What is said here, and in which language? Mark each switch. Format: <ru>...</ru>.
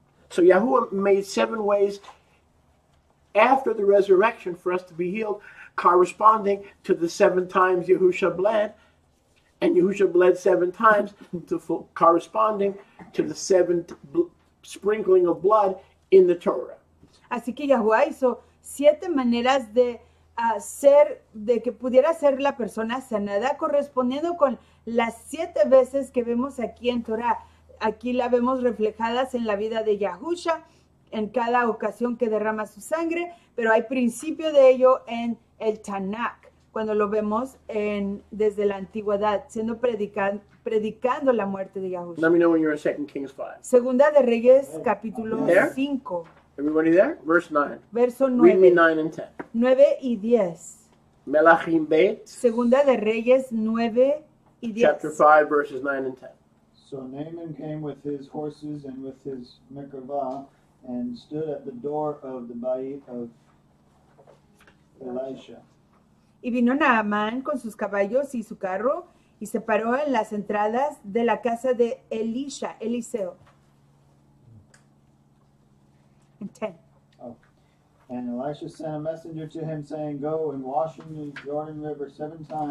<en>So Yahusha made seven ways after the resurrection for us to be healed, corresponding to the seven times Yahusha bled, and Yahusha bled seven times, to corresponding to the seventh sprinkling of blood in the Torah.</en> <es>Así que Yahuwah hizo siete maneras de ser de que pudiera ser la persona sanada, correspondiendo con las siete veces que vemos aquí en Torah. Aquí la vemos reflejadas en la vida de Yahusha, en cada ocasión que derrama su sangre, pero hay principio de ello en el Tanakh, cuando lo vemos en, desde la antigüedad, siendo predicando la muerte de Yahusha.</es> <en>Let me know when you're in 2 Kings 5.</en> <es>Segunda de Reyes, capítulo 5.</es> <en>Everybody there? Verse 9.</en> <es>Verso 9.</es> <en>Read me 9 and 10.</en> <es>9 y 10.</es> <he>Melachim Beit.</he> <es>Segunda de Reyes 9 y 10.</es> <en>Chapter 5, verses 9 and 10. So Naaman came with his horses and with his mikvah and stood at the door of the bayit of Elisha.</en> <es>Y vino Naaman con sus caballos y su carro y se paró en las entradas de la casa de Elisha, Eliseo.</es> <en>And Elisha sent a messenger to him saying, go and wash in the Jordan River seven times.</en>